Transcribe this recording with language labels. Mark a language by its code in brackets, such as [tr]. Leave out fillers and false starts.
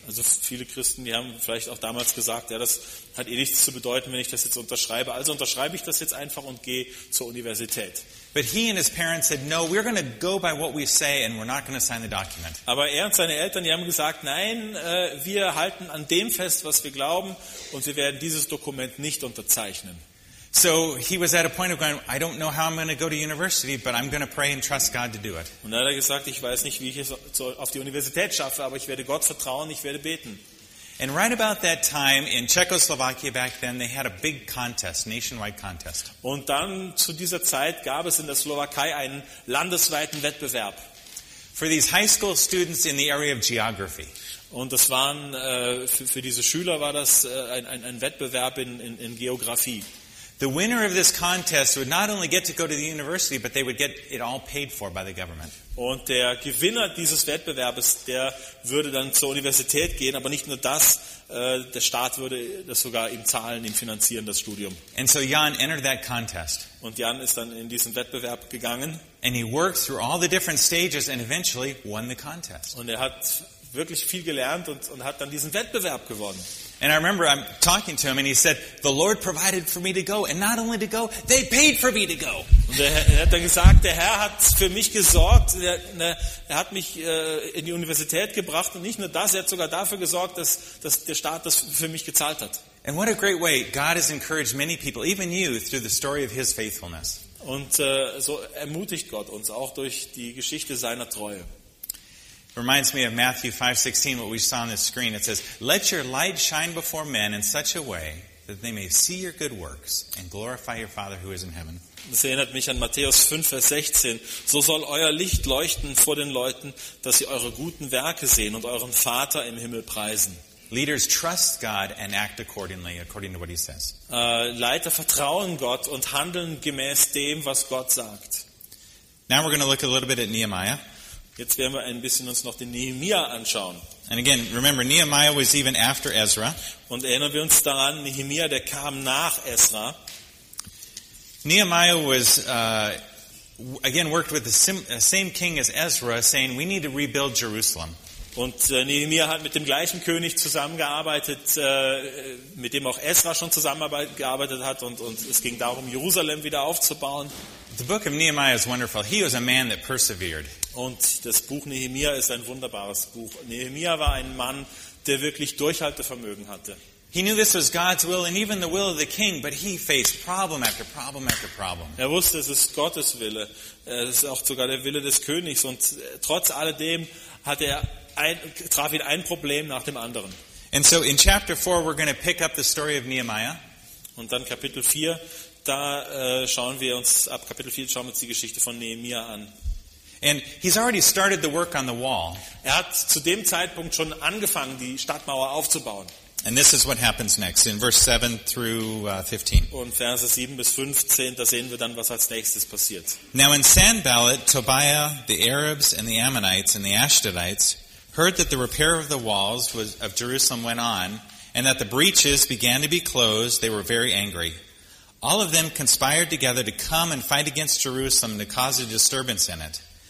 [de] Also viele Christen, die haben vielleicht auch damals gesagt, ja, das hat eh nichts zu bedeuten, wenn ich das jetzt unterschreibe. Also unterschreibe ich das jetzt einfach und gehe zur Universität. [en] But he and his parents said, no, we're going to go by what we say and we're not going to sign the document. [de] Aber er und seine Eltern, die haben gesagt, nein, wir halten an dem fest, was wir glauben und wir werden dieses Dokument nicht unterzeichnen. [en] So he was at a point of going, I don't know how I'm going to go to university, but I'm going to pray and trust God to do it. [de] Und dann hat er gesagt, ich weiß nicht, wie ich es auf die Universität schaffe, aber ich werde Gott vertrauen, ich werde beten. [en] And right about that time in Czechoslovakia back then, they had a big contest, nationwide contest. [de] Und dann zu dieser Zeit gab es in der Slowakei einen landesweiten Wettbewerb. [en] For these high school students in the area of geography. [de] Und das waren für diese Schüler war das ein Wettbewerb in Geografie. [en] The winner of this contest would not only get to go to the university, but they would get it all paid for by the government. [de] Und der Gewinner dieses Wettbewerbs, der würde dann zur Universität gehen, aber nicht nur das, der Staat würde das sogar ihm zahlen, ihm finanzieren, das Studium. [en] And so Jan entered that contest. [de] Und Jan ist dann in diesen Wettbewerb gegangen. [en] And he worked through all the different stages and eventually won the contest. [de] Und er hat wirklich viel gelernt und hat dann diesen Wettbewerb gewonnen. [en] And I remember I'm talking to him and he said, the Lord provided for me to go and not only to go, they paid for me to go. [de] Und er hat dann gesagt, der Herr hat für mich gesorgt, er hat mich in die Universität gebracht und nicht nur das, er hat sogar dafür gesorgt, dass der Staat das für mich gezahlt hat. [en] And what a great way God has encouraged many people, even you, through the story of his faithfulness. [de] Und so ermutigt Gott uns auch durch die Geschichte seiner Treue. [en] Reminds me of Matthew 5:16, what we saw on the screen. It says, "Let your light shine before men in such a way that they may see your good works and glorify your Father who is in heaven." [de] Das erinnert mich an Matthäus 5, Vers 16. So soll euer Licht leuchten vor den Leuten, dass sie eure guten Werke sehen und euren Vater im Himmel preisen. [en] Leaders trust God and act accordingly, according to what He says. [de] Leiter vertrauen Gott und handeln gemäß dem, was Gott sagt. [en] Now we're going to look a little bit at Nehemiah. [de] Jetzt werden wir ein bisschen uns noch den Nehemiah anschauen. [en] And again, remember, Nehemiah was even after Ezra. [de] Und erinnern wir uns daran, Nehemiah, der kam nach Ezra. [en] Nehemiah was again worked with the same king as Ezra, saying we need to rebuild Jerusalem. [de] Und Nehemiah hat mit dem gleichen König zusammengearbeitet, mit dem auch Ezra schon zusammengearbeitet hat, und es ging darum, Jerusalem wieder aufzubauen. [en] The book of Nehemiah is wonderful. He was a man that persevered. [de] Und das Buch Nehemiah ist ein wunderbares Buch. Nehemiah war ein Mann, der wirklich Durchhaltevermögen hatte. [en] He knew this was God's will and even the will of the king, but he faced problem after problem after problem. [de] Er wusste, es ist Gottes Wille. Es ist auch sogar der Wille des Königs. Und trotz alledem traf ihn ein Problem nach dem anderen. [en] And so in chapter 4, we're going to pick up the story of Nehemiah. [de] Und dann Kapitel 4. Da schauen wir uns ab Kapitel 4 schauen wir uns die Geschichte von Nehemiah an. [en] And he's already started the work on the wall. [de] Er hat zu dem Zeitpunkt schon angefangen, die Stadtmauer aufzubauen. [en] And this is what happens next in verse 7 through 15. [de] Und Verse 7 bis 15, da sehen wir dann, was als nächstes passiert. [en] Now in Sanballat, Tobiah, the Arabs and the Ammonites and the Ashdodites heard that the repair of the walls of Jerusalem went on, and that the breaches began to be closed, they were very angry. All of them conspired together to come and fight against Jerusalem to cause a disturbance in it.